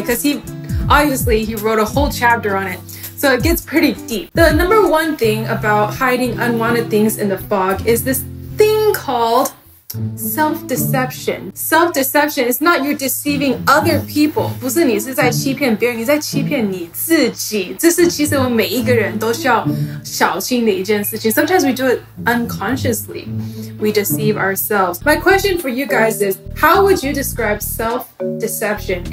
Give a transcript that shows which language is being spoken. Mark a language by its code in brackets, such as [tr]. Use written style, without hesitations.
[en] Because he wrote a whole chapter on it. So it gets pretty deep. The number one thing about hiding unwanted things in the fog is this thing calledself-deception. Self-deception is not you're deceiving other people. [zh] 不是你是在欺骗别人，你在欺骗你自己。这是其实我们每一个人都需要小心的一件事情。 [en] Sometimes we do it unconsciously. We deceive ourselves. My question for you guys is, how would you describe self-deception?